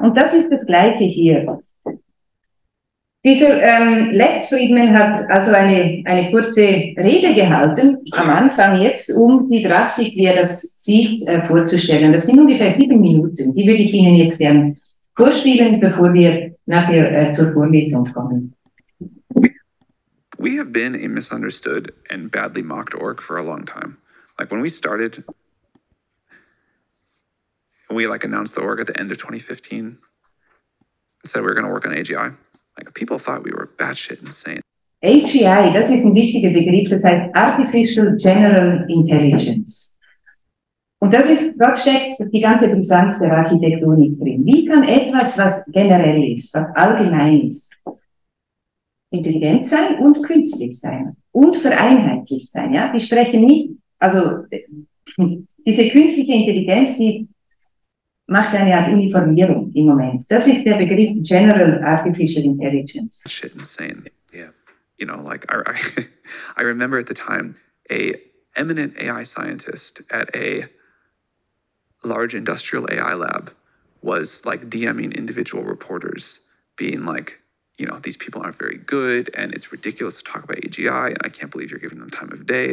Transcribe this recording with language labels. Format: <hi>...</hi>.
<de>Und das ist das Gleiche hier. Dieser Lex Friedman hat also eine kurze Rede gehalten, am Anfang jetzt, um die Drastik, wie er das sieht, vorzustellen. Das sind ungefähr 7 Minuten. Die würde ich Ihnen jetzt gerne vorspielen, bevor wir nachher zur Vorlesung kommen.</de> <en>We have been a misunderstood and badly mocked org for a long time. Like when we started, we like announced the org at the end of 2015 and said we were going to work on AGI. Like people thought we were batshit insane.</en> <de>AGI, das ist ein wichtiger Begriff, das heißt Artificial General Intelligence. Und das ist, dort steckt die ganze Brisanz der Architektonik drin. Wie kann etwas, was generell ist, was allgemein ist, intelligent sein und künstlich sein und vereinheitlicht sein? Ja? Die sprechen nicht, also diese künstliche Intelligenz, die macht eine Art Uniformierung im Moment. Das ist der Begriff General Artificial Intelligence.</de> <en>Shit insane. Yeah. You know, like I remember at the time a eminent AI scientist at a large industrial AI lab was like DMing individual reporters being like, you know, these people aren't very good and it's ridiculous to talk about AGI and I can't believe you're giving them time of day.</en>